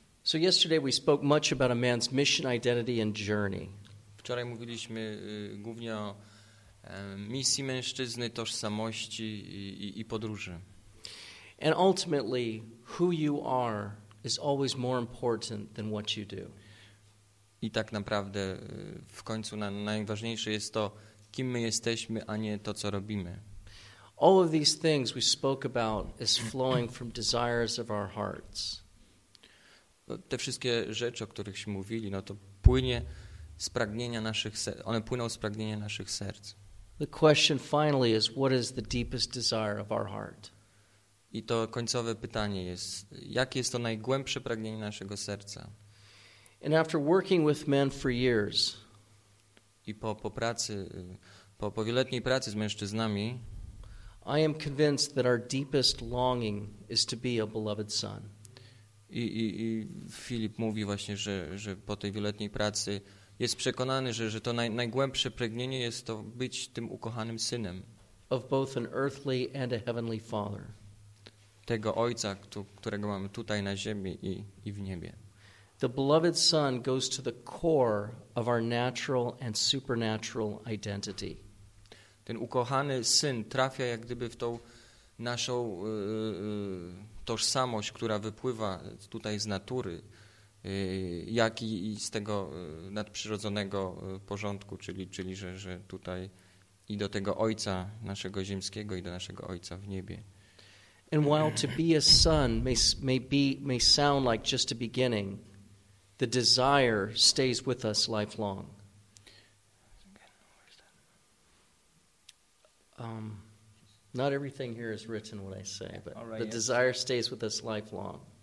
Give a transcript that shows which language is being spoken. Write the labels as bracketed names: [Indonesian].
[English] So yesterday we spoke much about a man's mission, identity, and journey. [Polish] Wczoraj mówiliśmy głównie o misji mężczyzny, tożsamości i podróży. [English] And ultimately, who you are is always more important than what you do. [Polish] I tak naprawdę w końcu najważniejsze jest to, kim my jesteśmy, a nie to, co robimy. [English] All of these things we spoke about is flowing from desires of our hearts. [Polish] Te wszystkie rzeczy, o których mówili, no to płynie z pragnienia naszych serc. One płyną z pragnienia naszych serc. [English] The question finally is, what is the deepest desire of our heart? [Polish] I to końcowe pytanie jest, jakie jest to najgłębsze pragnienie naszego serca? [English] And after working with men for years, [Polish] i po wieloletniej pracy z mężczyznami, [English] I am convinced that our deepest longing is to be a beloved son. [Polish] I Filip mówi właśnie, że po tej wieloletniej pracy jest przekonany, że to najgłębsze pragnienie jest to być tym ukochanym synem. [English] Of both an earthly and a heavenly father. [Polish] Tego ojca, którego mamy tutaj na ziemi i w niebie. [English] The beloved son goes to the core of our natural and supernatural identity. [Polish] Ten ukochany syn trafia jak gdyby w tą naszą tożsamość, która wypływa tutaj z natury, jak i z tego nadprzyrodzonego porządku, czyli że tutaj i do tego Ojca naszego ziemskiego i do naszego Ojca w niebie. [English] And while to be a son may sound like just a beginning, the desire stays with us lifelong. Not everything here is written what I say, but right, the desire stays with us lifelong.